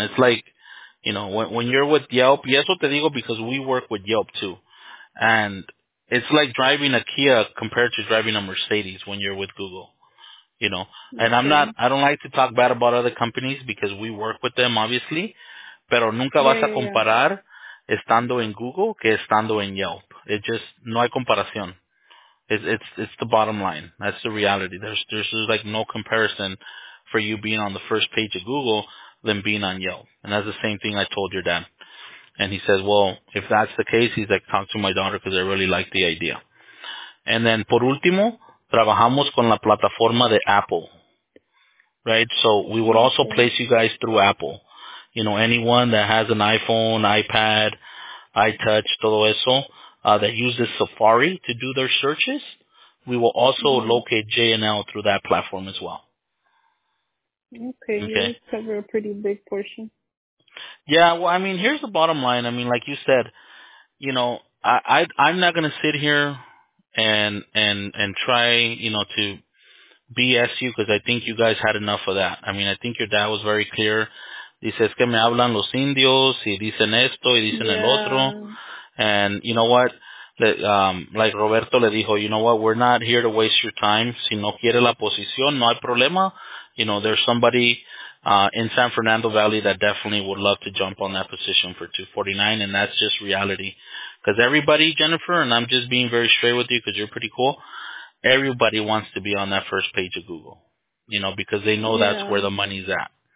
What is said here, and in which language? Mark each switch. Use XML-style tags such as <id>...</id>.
<en>It's like, you know, when you're with Yelp,</en> <es>y eso te digo</es> <en>because we work with Yelp too. And it's like driving a Kia compared to driving a Mercedes when you're with Google, you know. And I don't like to talk bad about other companies because we work with them, obviously.</en> <es>Pero nunca vas a comparar estando en Google que estando en Yelp.</es> <en>It just,</en> <es>no hay comparación.</es> <en>It's the bottom line. That's the reality. There's like no comparison for you being on the first page of Google than being on Yelp. And that's the same thing I told your dad. And he says, well, if that's the case, he's like, talk to my daughter because I really like the idea. And then,</en> <es>por último, trabajamos con la plataforma de Apple.</es> <en>Right? So we would also place you guys through Apple. You know, anyone that has an iPhone, iPad, iTouch,</en> <es>todo eso,</es> <en>that uses Safari to do their searches, we will also locate JNL through that platform as well. Okay. You cover a pretty big portion. Yeah, well, I mean, here's the bottom line. I mean, like you said, you know, I'm not going to sit here and try, you know, to BS you because I think you guys had enough of that. I mean, I think your dad was very clear.</en> <es>Dice, es que me hablan los indios, y dicen esto, y dicen el otro.</es> <en>And you know what? Like Roberto</en> <es>le dijo,</es> <en>you know what? We're not here to waste your time.</en> <es>Si no quiere la posición, no hay problema.</es> <en>You know, there's somebody in San Fernando Valley that definitely would love to jump on that position for $249, and that's just reality. Because everybody, Jennifer, and I'm just being very straight with you because you're pretty cool, everybody wants to be on that first page of Google, you know, because they know that's where the money's at.</en>